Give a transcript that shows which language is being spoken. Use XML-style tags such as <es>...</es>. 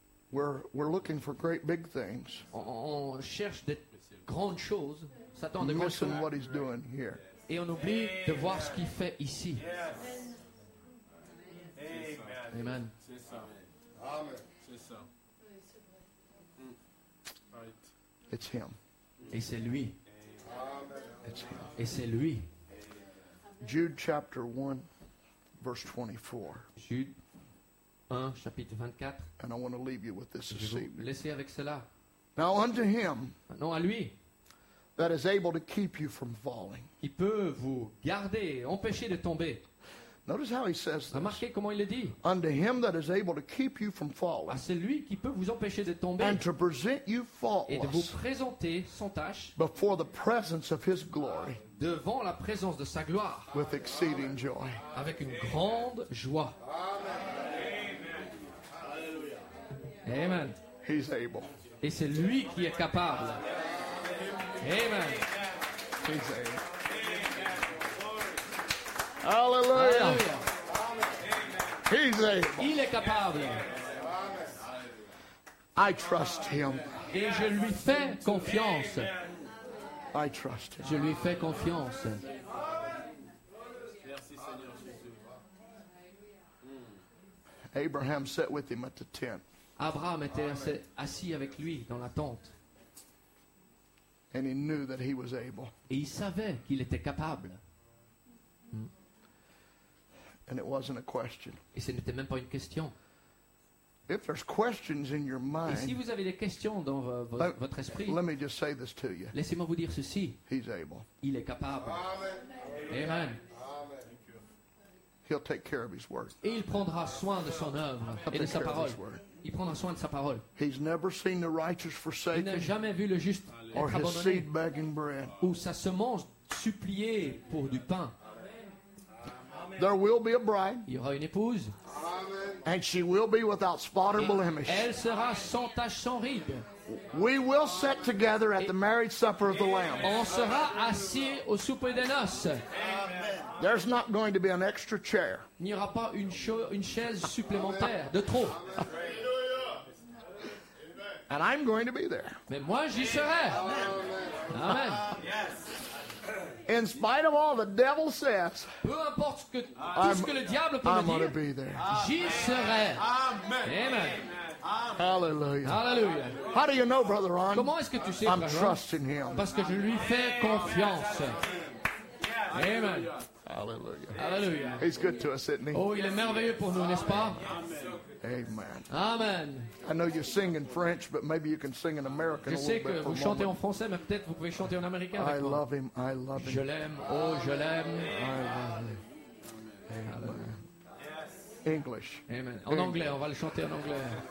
<en>We're looking for great big things.</en> <fr>On cherche des grandes choses. S'attend de grandes choses.</fr> <en>What he's doing here.</en> <fr>Et on oublie de voir ce qu'il fait ici.</fr> <en>Amen.</en> <fr>Amen. C'est ça. Amen. C'est ça.</fr> <en>Right. It's him.</en> <fr>Et c'est lui. Amen.</fr> <en>It's him.</en> <fr>Et c'est lui.</fr> <en>Jude chapter 1 verse 24.</en> <fr>Jude 1 chapitre 24.</fr> <en>And I want to leave you with this this evening.</en> <fr>Laissez avec cela.</fr> <en>Now unto him.</en> <fr>Non, à lui.</fr> <en>That is able to keep you from falling.</en> <fr>Il peut vous garder, empêcher de tomber.</fr> <en>Notice how he says this.</en> <fr>Remarquez comment il le dit.</fr> <en>Unto him that is able to keep you from falling.</en> <fr>À celui qui peut vous empêcher de tomber.</fr> <en>And to present you faultless.</en> <fr>Et de vous présenter sans tache.</fr> <en>Before the presence of his glory.</en> <fr>Devant la présence de sa gloire.</fr> <en>With exceeding joy.</en> <fr>Avec une grande joie.</fr> <en>Amen.</en> <fr>Amen.</fr> <en>He's able.</en> <fr>Et c'est lui qui est capable.</fr> <en>Amen. He's able. Alléluia. He's able.</en> <fr>Il est capable.</fr> <en>I trust him.</en> <fr>Et je lui fais confiance.</fr> <en>I trust him.</en> <fr>Je lui fais confiance.</fr> <en>Abraham sat with him at the tent.</en> <fr>Abraham était assis avec lui dans la tente.</fr> <en>And he knew that he was able.</en> <fr>Et il savait qu'il était capable.</fr> <en>And it wasn't a question.</en> <fr>Et ce n'était même pas une question.</fr> <en>If there's questions in your mind,</en> <fr>et si vous avez des questions dans votre esprit,</fr> <en>let me just say this to you.</en> <fr>Laissez-moi vous dire ceci.</fr> <en>He's able.</en> <fr>Il est capable. Amen. Amen. Amen.</fr> <en>He'll take care of his word.</en> <fr>Et il prendra soin de son œuvre et de sa parole. Il prendra soin de sa parole.</fr> <en>He's never seen the righteous forsaken.</en> <fr>Il n'a jamais vu le juste</fr> <en>or his seed begging bread.</en> <fr>Ou sa semence suppliée pour du pain.</fr> <en>There will be a bride.</en> <fr>Il y aura une épouse. Amen.</fr> <en>And she will be without spot or blemish.</en> <fr>Elle sera sans tache, sans ride.</fr> <en>We will sit together at the marriage supper of the Lamb.</en> <fr>On sera assis au souper des noces.</fr> <en>There's not going to be an extra chair.</en> <fr>Il n'y aura pas une chaise supplémentaire de trop.</fr> <en>And I'm going to be there.</en> <fr>Mais moi, j'y serai. Amen. Amen.</fr> <en>Yes. In spite of all the devil says,</en> <fr>peu importe ce que, tout ce que le diable peut</fr> <en>I'm</en> <fr>me dire,</fr> <en>be there.</en> <fr>J'y serai. Amen. Amen.</fr> <en>Hallelujah. Hallelujah. How do you know, Brother Ron?</en> <fr>Comment est-ce que tu sais,</fr> <en>I'm trusting him.</en> <fr>Parce que je lui fais confiance.</fr> <en>Amen. Hallelujah. Hallelujah. He's good to us, isn't he?</en> <fr>Oh, il est merveilleux pour nous, n'est-ce pas? Amen. Amen.</fr> <en>I know you sing in French, but maybe you can sing in American.</en> <fr>Je sais</fr> <en>a little</en> <fr>que</fr> <en>bit</en> <fr>vous chantez en français, mais peut-être vous pouvez chanter en américain.</fr> <en>I love him. I love him.</en> <fr>Je l'aime. Oh, je l'aime.</fr> <en>I love him. Amen. English. Amen.</en> <fr>En anglais, on va le chanter en anglais.</fr>